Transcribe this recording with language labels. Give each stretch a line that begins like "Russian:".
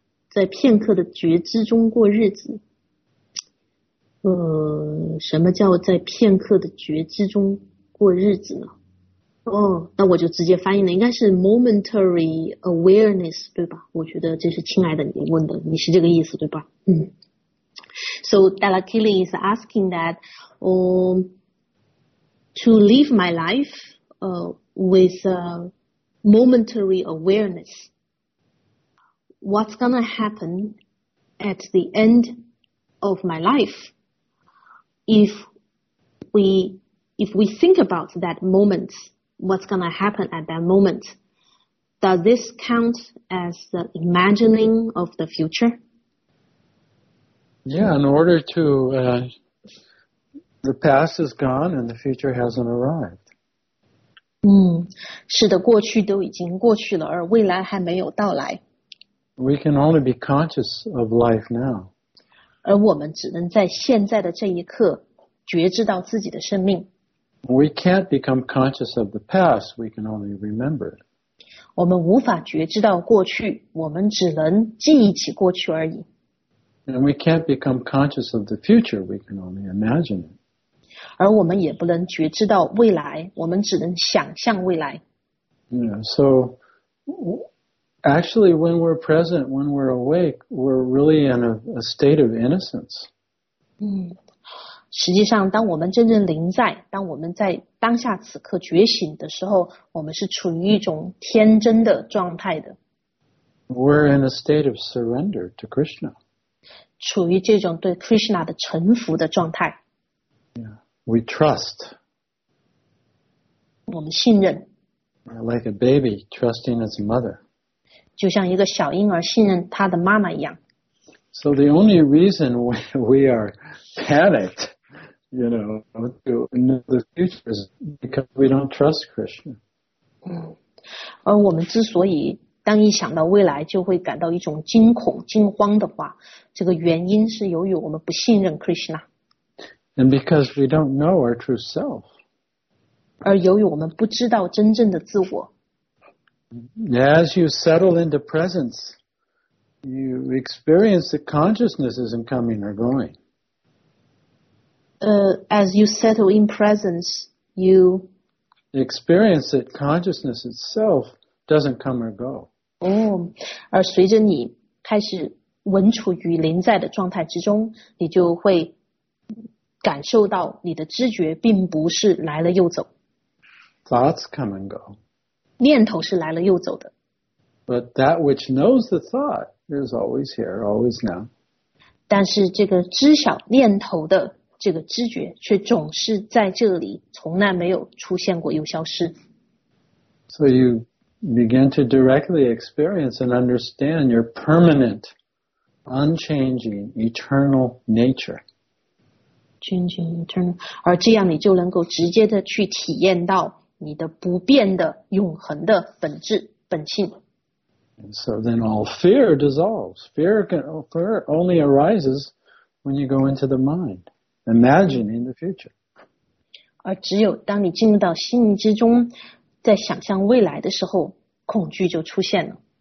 Chinese: 在片刻的觉知中过日子，什么叫在片刻的觉知中过日子呢？那我就直接翻译了，应该是 momentary awareness 对吧？我觉得这是亲爱的你问的，你是这个意思对吧？
English: So Dala Kili is asking that to live my life with momentary awareness, what's going to happen at the end of my life if we think about that moment, what's going to happen at that moment? Does this count as the imagining of the future? Yeah, in order to, the past is gone and the future hasn't arrived.
Chinese: 是的，过去都已经过去了，而未来还没有到来。
English: We can only be conscious of life now.
Chinese: 而我们只能在现在的这一刻觉知到自己的生命。
English: We can't become conscious of the past, we can only remember it.
Chinese: 我们无法觉知到过去，我们只能记忆起过去而已。
English: And we can't become conscious of the future, we can only imagine it.
Chinese: 而我们也不能觉知到未来，我们只能想象未来。
English: Yeah, so actually when we're present, when we're awake, we're really in a state of innocence.
Chinese: 实际上当我们真正临在，当我们在当下此刻觉醒的时候，我们是处于一种天真的状态的。
English: We're in a state of surrender to Krishna.
Chinese: 处于这种对 Krishna 的臣服的状态。
English: Yeah, we trust.
Chinese: 我们信任。
English: Like a baby trusting its mother.
Chinese: 就像一个小婴儿信任他的妈妈一样。
English: So the only reason we are panicked, you know, to know the future is because we don't trust Krishna.
Chinese: 而我们之所以当一想到未来就会感到一种惊恐惊慌的话，这个原因是由于我们不信任 Krishna。
English: And because we don't know our true self.
Chinese: 而由于我们不知道真正的自我。
English: As you settle into presence, you experience that consciousness isn't coming or going. As you settle in presence, you experience that consciousness itself doesn't come or go.
Chinese: 而随着你开始稳处于临在的状态之中，你就会感受到你的知觉并不是来了又走。
English: Thoughts come and go.
Chinese: 念头是来了又走的。
English: But that which knows the thought is always here, always now.
Chinese: 但是这个知晓念头的这个知觉却总是在这里，从来没有出现过又消失。
English: So you begin to directly experience and understand your permanent, unchanging, eternal nature. Changing, eternal.
Chinese: 而这样你就能够直接的去体验到你的不变的永恒的本质本性。
English: So then all fear dissolves. Fear only arises when you go into the mind. Imagining the future.
Chinese: 而只有当你进入到心灵之中，在想象未来的时候，恐惧就出现了。